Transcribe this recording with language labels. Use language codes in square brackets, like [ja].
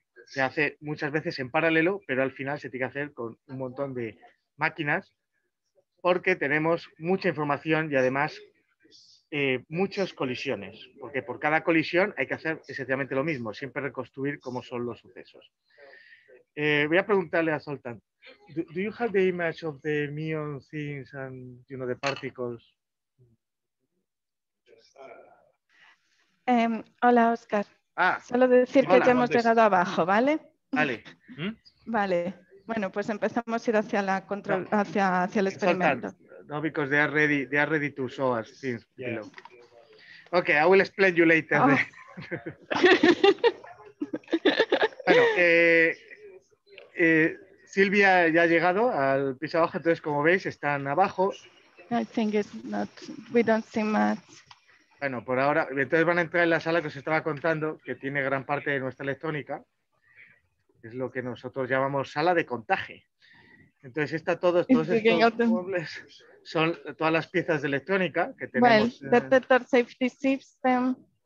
[es] se hace muchas veces en paralelo, pero al final se tiene que hacer con un montón de máquinas, porque tenemos mucha información y además muchas colisiones, porque por cada colisión hay que hacer esencialmente lo mismo, siempre reconstruir cómo son los sucesos. Voy a preguntarle a Zoltán. [en] Do you have the image of the muon things and, you know, the particles? [es] Hola, Oscar. Solo decir que ya hemos llegado abajo, ¿vale? Vale. Vale. Bueno, pues empezamos a ir hacia la control, hacia el experimento. [en] No, because they are ready to show us things below. Yes. Okay, I will explain you later. [es] Bueno, Silvia ya ha llegado al piso abajo, entonces como veis están abajo. [en] I think it's not, we don't see much. [es] Bueno, por ahora, entonces van a entrar en la sala que os estaba contando, que tiene gran parte de nuestra electrónica. Es lo que nosotros llamamos sala de contaje. Entonces está todos estos muebles, son todas las piezas de electrónica que tenemos. [en] Well, detector safety system.